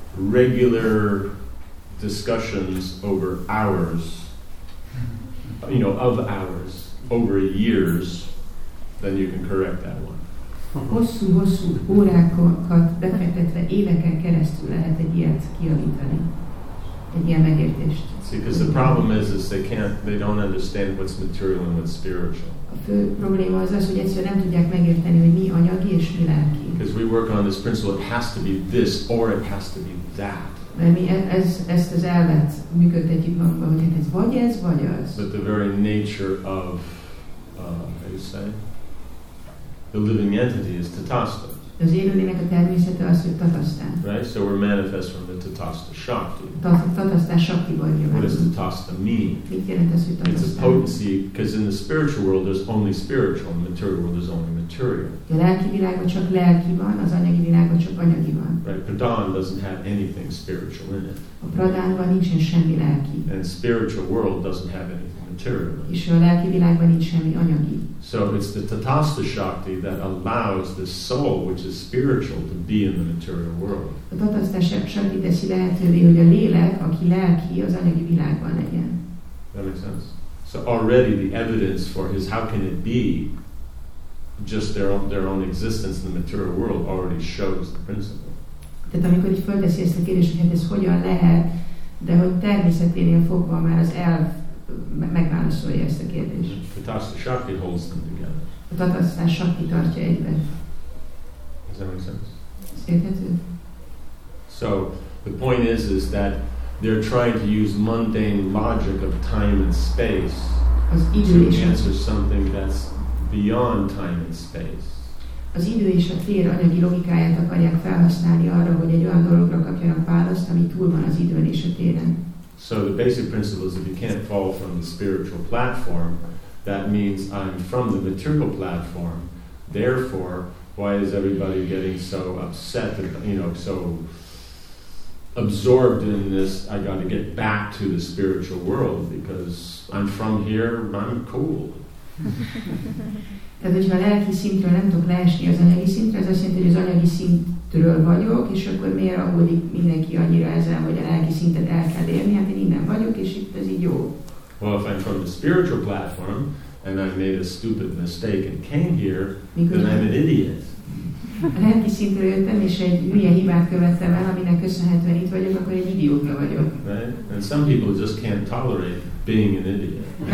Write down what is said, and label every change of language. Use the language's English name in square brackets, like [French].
[English] regular discussions over hours, you know, of hours, over years, then you can correct that one. [Hungarian] Hosszú-hosszú órákat befektetve éveken keresztül lehet egy ilyet kialítani, egy ilyen megértést. [English] See, because the problem is they don't understand what's material and what's spiritual. [Hungarian] A fő probléma az, hogy egyszerűen nem tudják megérteni, hogy mi anyagi és mi lelki. [English] Because we work on this principle, it has to be this or it has to be that. [Hungarian] Mert mi ezt az elvet működtetjük magunkban, hogy ez vagy ez, vagy az. [English] But the very nature of, how do you say? The living entity is tatastha. [Hungarian] Az élőlének a természete az, hogy tatasztán. [English] Right, so we're manifest from the tatasta shakti. [Hungarian] Tatasztán shaktiból jövünk. [English] What does tatasta mean? [Hungarian] Mit jelent az, hogy tatasztán? [English] It's a potency, because in the spiritual world there's only spiritual, in the material world there's only material. [Hungarian] A lelki világban csak lelki van, az anyagi világban csak anyagi van. [English] Right, pradhan doesn't have anything spiritual in it. [Hungarian] A pradhanban nincsen semmi lelki. [English] And spiritual world doesn't have anything material. [Hungarian] És a lelki világban nincs semmi anyagi. [English] So it's the tatasta shakti that allows the soul, which is spiritual, to be in the material world. [Hungarian] A tatasta shakti teszi lehetővé, hogy a lélek, aki lelki, az anyagi világban legyen. [English] That makes sense. So already the evidence for his how can it be just their own existence in the material world already shows the principle. [Hungarian] Tehát amikor így fölteszi ezt a kérdést, hogy ez hogyan lehet, de hogy természeténél fogva már az elv megválaszolja ezt a kérdést. [English] Tatasta shakti holds them together. [Hungarian] A tatasta shakti tartja egyben. [English] Does that make sense? [Hungarian] Ez érthető? [English] So, the point is that they're trying to use mundane logic of time and space [Hungarian] az [English] to answer something that's beyond time and space. [Hungarian] Az idő és a tér anyagi logikáját akarják felhasználni arra, hogy egy olyan dologra kapjanak választ, ami túl van az időn és a téren. [English] So the basic principle is if you can't fall from the spiritual platform, that means I'm from the material platform. Therefore, why is everybody getting so upset, so absorbed in this, I got to get back to the spiritual world because I'm from here, I'm cool. [Hungarian] Tehát, hogyha a lelki szintről nem tudok leesni az anyagi szintre, az azt jelenti, hogy az anyagi szintről vagyok, és akkor miért aggódik mindenki annyira ezzel, hogy a lelki szintet el kell érni, hát én innen vagyok, és itt ez így jó. [English] Well, if I'm from the spiritual platform, and I made a stupid mistake and came here, [Hungarian] mikor [English] then I'm an idiot. [Hungarian] A lelki szintről jöttem, és egy hülye hibát követtem el, aminek köszönhetően itt vagyok, akkor egy idióta vagyok. [English] Right? And some people just can't tolerate being an idiot.